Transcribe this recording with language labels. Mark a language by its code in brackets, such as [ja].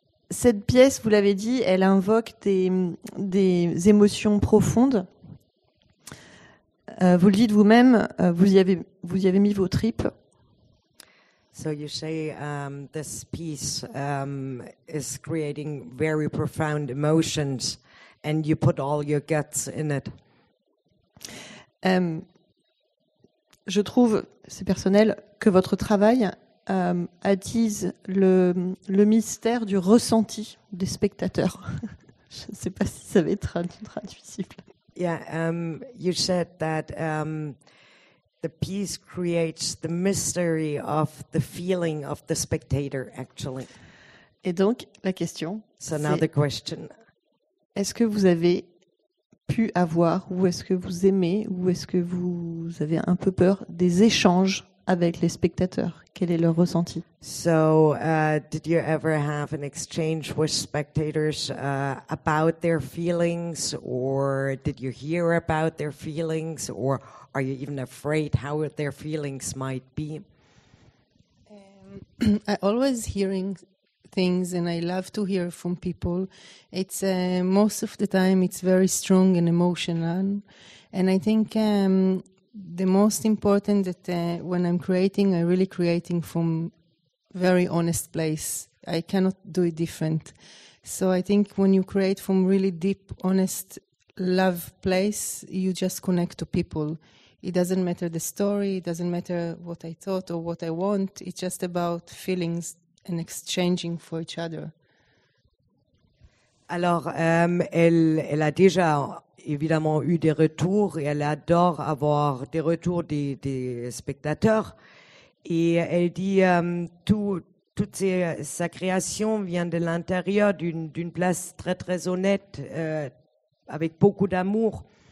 [fr] Cette pièce, vous l'avez dit, elle invoque des émotions profondes. Vous le dites vous-même, vous y avez mis vos tripes. [en] So you say this piece is creating very profound emotions. And you put all your guts in it. [fr] Je trouve, c'est personnel, que votre travail attise le mystère du ressenti des spectateurs. Je ne sais pas si ça va être traduisible. [en] Yeah, you said that the piece creates the mystery of the feeling of the spectator, actually. [fr] Et donc, la question. [en] So now the question. [fr] Est-ce que vous avez pu avoir, ou est-ce que vous aimez, ou est-ce que vous avez un peu peur des échanges avec les spectateurs? Quel est leur ressenti? [en] So, did you ever have an exchange with spectators about their feelings, or did you hear about their feelings, or are you even afraid how their feelings might be? I always hearing things, and I love to hear from people. It's most of the time it's very strong and emotional, and I think the most important that when I'm creating, I'm really creating from very honest place. I cannot do it different. So I think when you create from really deep, honest love place, you just connect to people. It doesn't matter the story, it doesn't matter what I thought or what I want, it's just about feelings and exchanging for each other. [fr] Alors, elle a déjà évidemment eu des retours, et elle adore avoir des retours des spectateurs. Et elle dit toute sa création vient de l'intérieur, d'une place très très honnête, avec beaucoup d'amour.